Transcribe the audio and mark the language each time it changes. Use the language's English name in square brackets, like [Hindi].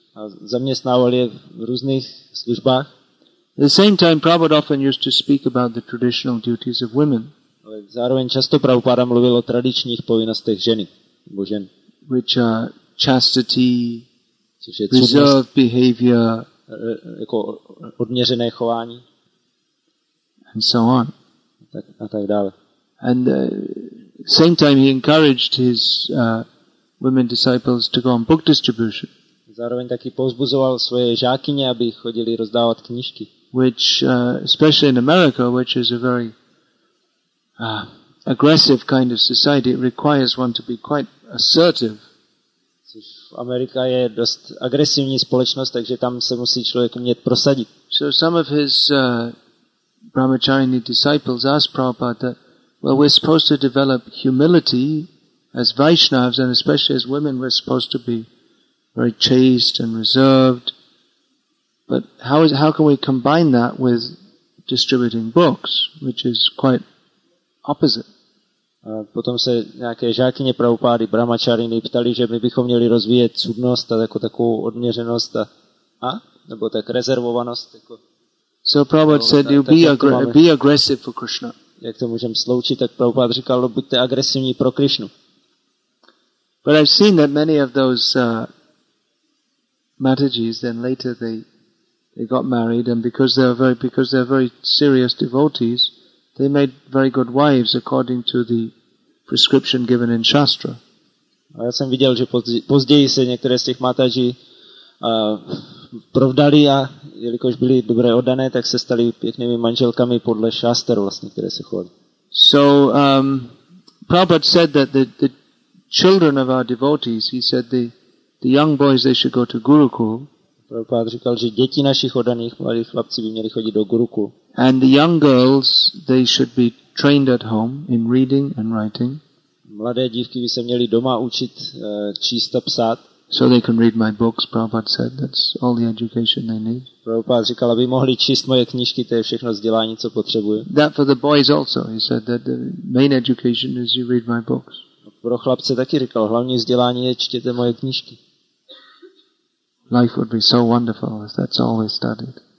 [Czech] A zaměstnával je v různých službách. [English] At the same time, Prabhupada often used to speak about the traditional duties of women. [Czech] Ale zároveň často Prabhupada mluvil o tradičních povinnostech ženy, nebo žen. [English] Which are chastity, reserved behavior, [Czech] jako odměřené chování, [English] and so on, [Czech] a tak dále. [English] And same time he encouraged his women disciples to go on book distribution. [Czech] Zároveň taky povzbuzoval svoje žákyně, aby chodili rozdávat knížky. [English] Which especially in America, which is a very aggressive kind of society, it requires one to be quite assertive. [Czech] Amerika je dost agresivní společnost, takže tam se musí člověk umět prosadit. [English] So some of his brahmacharini disciples asked Prabhupada that, well, we're supposed to develop humility as Vaishnavas, and especially as women, we're supposed to be very chaste and reserved. But how can we combine that with distributing books, which is quite opposite? [Czech] A potom se nějaké žákyně Prabhupády, brahmačariny, ptali, že my bychom měli rozvíjet cudnost a jako takovou odměřenost a nebo tak rezervovanost. Jako, [English] so Prabhupada said, you be aggressive for Krishna. [Czech] Jak to můžeme sloučit, tak Prabhupád říkal, no, buďte agresivní pro Krishnu. [English] But I've seen that many of those Matajis, then later they got married, and because they're very serious devotees, they made very good wives according to the prescription given in Shastra. [Czech] A já jsem viděl, že později se některé z těch mataží provdali, a jelikož byly dobré oddané, tak se staly pěknými manželkami podle šaster, vlastně, které se chovaly. [English] So Prabhupada said that the children of our devotees, he said the young boys, they should go to Gurukul. [Czech] Prabhupada říkal, že děti našich oddaných mladých chlapci by měli chodit do Gurukul. [English] And the young girls, they should be trained at home in reading and writing. [Czech] Mladé dívky by se měly doma učit číst a psát. [English] So they can read my books, Prabhupada said. That's all the education they need. [Czech] Prabhupada říkal, aby mohli číst moje knížky, to je všechno vzdělání, co potřebuje. [English] That for the boys also. He said that the main education is you read my books. [Czech] Pro chlapce taky říkal, hlavní vzdělání je čtěte moje knížky. [English] Life would be so wonderful if that's all we studied.